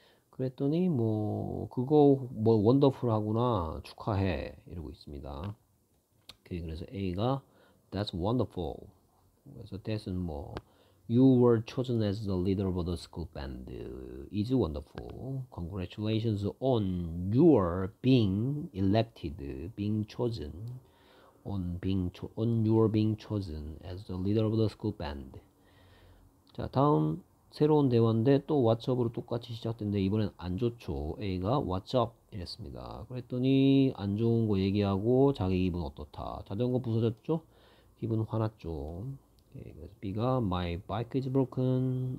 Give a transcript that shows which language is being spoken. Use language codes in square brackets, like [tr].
[ko] 그랬더니 뭐 그거 뭐 원더풀하구나 축하해 이러고 있습니다. [en] 그래서 A가 That's wonderful. 그래서 That은 뭐 You were chosen as the leader of the school band is wonderful. Congratulations on your being elected, being chosen, on your being chosen as the leader of the school band. [ko] 자, 다음. 새로운 대화인데 또 왓츠업으로 똑같이 시작된데 이번엔 안 좋죠. A가 왓츠업 이랬습니다. 그랬더니 안 좋은 거 얘기하고 자기 기분 어떻다. 자전거 부서졌죠? 기분 화났죠. 그래서 B가 [en] My bike is broken.